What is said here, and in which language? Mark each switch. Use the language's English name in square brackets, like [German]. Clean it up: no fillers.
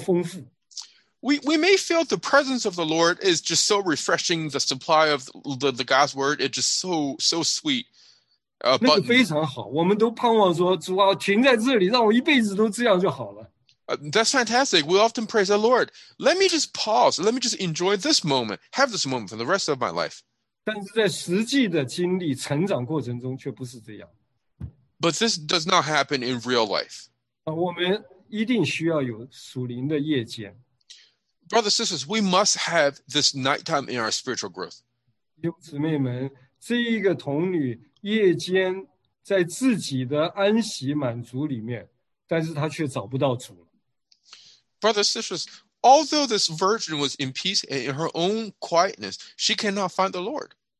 [Chinese] 会有一段时期呢，好像每天主的同在，主话语的供应都是那么新鲜，那么明亮，那么丰富。 [English] We may feel the presence of the Lord is just so refreshing. The supply of the God's word is just so sweet. [Chinese] 那个非常好，我们都盼望说主啊，停在这里，让我一辈子都这样就好了。 [English] That's fantastic. We often praise the Lord. Let me just pause. Let me just enjoy this moment. Have this moment for the rest of my life. [Chinese] 但是在实际的经历成长过程中却不是这样。 [English] But this does not happen in real life. [Chinese] 我们一定需要有属灵的夜间。 [English] Brothers and sisters, we must have this nighttime in our spiritual growth. [Chinese] 弟兄姊妹们, 这一个童女夜间在自己的安息满足里面, 但是她却找不到主了。 [English] Brothers and sisters, although this virgin was in peace and in her own quietness, she cannot find the Lord.